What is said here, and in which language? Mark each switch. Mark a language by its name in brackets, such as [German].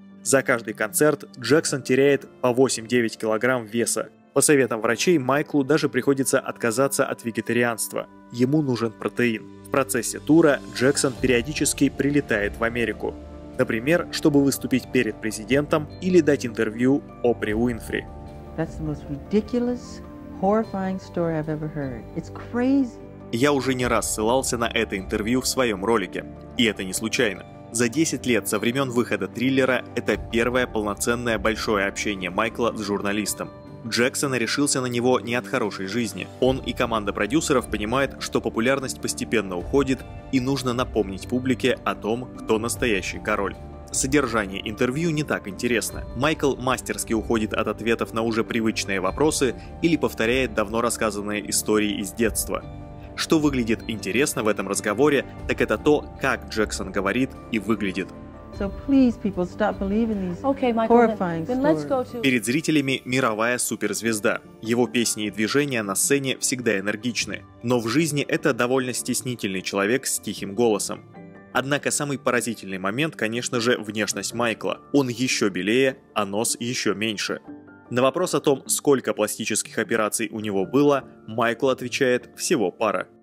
[Russian] За каждый концерт Джексон теряет по 8-9 килограмм веса. По советам врачей, Майклу даже приходится отказаться от вегетарианства. Ему нужен протеин. В процессе тура Джексон периодически прилетает в Америку. Например, чтобы выступить перед президентом или дать интервью Опре Уинфри. [English] That's the most ridiculous, horrifying story I've ever heard. It's crazy. [Russian] Я уже не раз ссылался на это интервью в своем ролике. И это не случайно. За 10 лет со времен выхода триллера это первое полноценное большое общение Майкла с журналистом. Джексон решился на него не от хорошей жизни. Он и команда продюсеров понимают, что популярность постепенно уходит, и нужно напомнить публике о том, кто настоящий король. Содержание интервью не так интересно. Майкл мастерски уходит от ответов на уже привычные вопросы или повторяет давно рассказанные истории из детства. Что выглядит интересно в этом разговоре, так это то, как Джексон говорит и выглядит. [English] So please, people, stop believing these horrifying stories. [Russian] Перед зрителями мировая суперзвезда. Его песни и движения на сцене всегда энергичны. Но в жизни это довольно стеснительный человек с тихим голосом. Однако самый поразительный момент, конечно же, внешность Майкла. Он еще белее, а нос еще меньше. На вопрос о том, сколько пластических операций у него было, Майкл отвечает: всего пара.